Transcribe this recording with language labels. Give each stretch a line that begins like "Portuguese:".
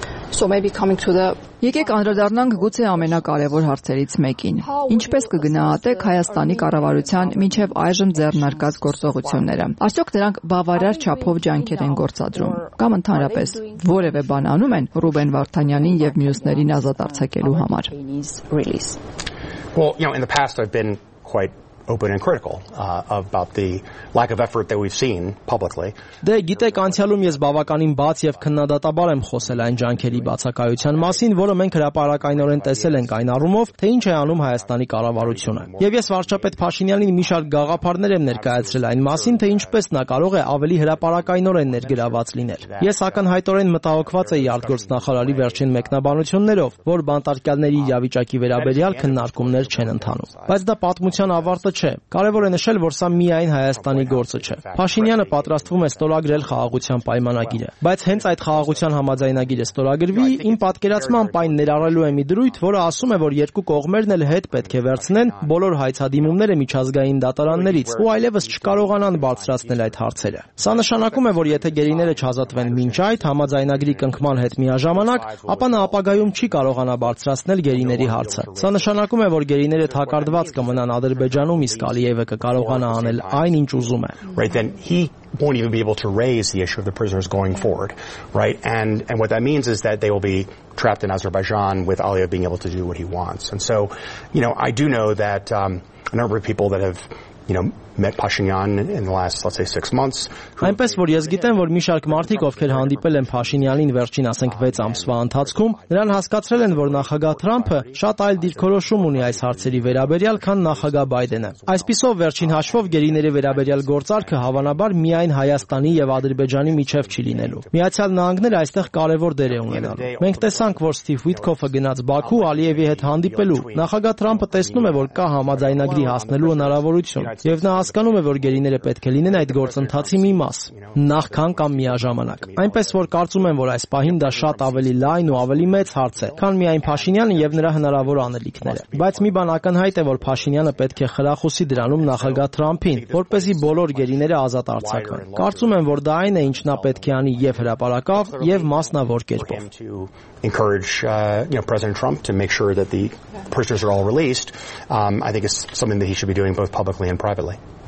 English: So maybe coming to the
Armenian: Եկեք անդրադառնանք գուցե ամենակարևոր հարցերից մեկին։ Ինչպես կգնահատեք Հայաստանի կառավարության միջև այժմ ձեռնարկած գործողությունները։ Արդյոք դրանք բավարար չափով ջանքեր են գործադրում կամ ընդհանրապես որևէ բան անում են Ռուբեն Վարդանյանին եւ մյուսներին ազատ արձակելու համար։
English: Well, in the past I've been quite open and critical about the lack of effort that we've seen publicly.
Armenian: Դե գիտեք, անցյալում ես բավականին բաց եւ քննադատաբար եմ խոսել այն ջանքերի բացակայության մասին, որը մենք հրապարակայնորեն տեսել ենք այն առումով, թե ինչ է անում Հայաստանի կառավարությունը։ Եվ ես վարչապետ Փաշինյանին մի շարք գաղափարներ եմ ներկայացրել այն մասին, թե ինչպես նա կարող է ավելի հրապարակայնորեն ներգրաված լինել։ Ես ակնհայտորեն մտահոգված եի Ալգորս նախարարի վերջին մեկնաբանություններով, որ բանտարկյալների իրավիճակի վերաբերյալ քննարկումներ չեն ընթանում։ Բայց դա պատմության ավարտ չէ։ Կարևոր է նշել, որ սա միայն Հայաստանի գործը չէ։ Փաշինյանը պատրաստվում է ստորագրել խաղաղության պայմանագիրը, բայց հենց այդ խաղաղության համաձայնագիրը ստորագրվի, իմ պատկերացմամբ այն ներառելու է մի դրույթ, որը ասում է, որ երկու կողմերն էլ հետ պետք է վերցնեն բոլոր հայցադիմումները միջազգային դատարաններից, ու այլևս չկարողանան բարձրացնել այդ հարցերը։ Սա նշանակում է, որ եթե գերիները չազատվեն մինչ այդ համաձայնագրի կնքման հետ միաժամանակ, ապա նա ապագայում չի կարողանա բարձրացնել գերիների հարցը։ Սա նշանակում է, որ գերիները թակարդված կմնան Ադրբեջան նո միս կալիևը կարողանա անել այն ինչ ուզում է։
English: Right, then he won't even be able to raise the issue of the prisoners going forward, right? And what that means is that they will be trapped in Azerbaijan with Aliyev being able to do what he wants. And so, you know, I do know that a number of people that have met Pashinyan in the last, let's say, 6 months.
Armenian: Այնպես որ ես գիտեմ, որ մի շարք մարդիկ, ովքեր հանդիպել են Փաշինյանին վերջին, ասենք, 6 ամսվա ընթացքում, նրան հասկացրել են, որ նախագահ Թրամփը շատ այլ դիրքորոշում ունի այս հարցերի վերաբերյալ, քան նախագահ Բայդենը։ Այսպիսով վերջին հաշվով գերիների վերաբերյալ գործարքը հավանաբար միայն Հայաստանի եւ Ադրբեջանի միջև չի լինելու։ Միացյալ Նահանգները այստեղ կարևոր դեր է ունենալու։ Մենք տեսանք, որ Սթիվ Վիտկոֆը գնաց Բաքու Ալիևի հետ հանդիպելու։ Նախագահ Թրամփը տեսնում է, որ կա համաձայնագրի հասնելու հնարավորություն, եւ նա հասկանում է, որ գերիները պետք է լինեն այդ գործընթացի մի մաս, նախքան կամ միաժամանակ։ Այնպես որ կարծում եմ, որ այս պահին դա շատ ավելի լայն ու ավելի մեծ հարց է, քան միայն Փաշինյանը եւ նրա հնարավոր անելիքները։ Բայց մի բան ակնհայտ է, որ Փաշինյանը պետք է խրախուսի դրանում նախագահ Թրամփին, որպեսզի բոլոր գերիները ազատ արձակվեն։ Կարծում եմ, որ դա այն է, ինչ նա պետք է անի եւ հրապարակավ, եւ մասնավոր կերպով։
English: Encourage President Trump to make sure that the prisoners are all released, I think it's something that he should be doing both publicly and privately.